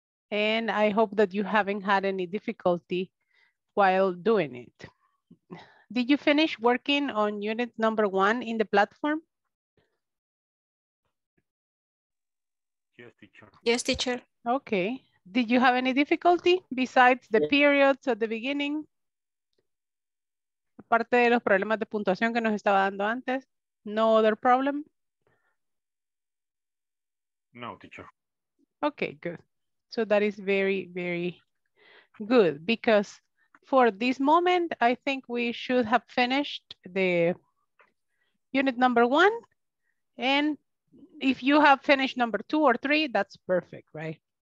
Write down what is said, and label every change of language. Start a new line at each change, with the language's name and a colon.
English: And I hope that you haven't had any difficulty while doing it. Did you finish working on unit number one in the platform? Yes, teacher. Yes, teacher. Okay. Did you have any difficulty besides the periods at the beginning?
Spanish: Aparte de los problemas de puntuación que nos estaba dando antes,
English: no other problem? No, teacher. Okay, good. So that is very, very good because for this moment, I think we should have finished the unit number one. And if you have finished number two or three, that's perfect, right?